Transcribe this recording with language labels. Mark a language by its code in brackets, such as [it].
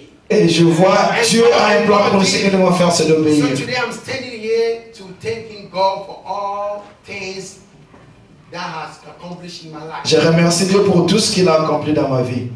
[fr] Et je vois, Dieu a un plan pour ce que nous allons faire, c'est d'obéir. [en] So today I'm standing here to thanking God for all things that has accomplished in my life. [fr] Je remercie Dieu pour tout ce qu'il a accompli dans ma vie.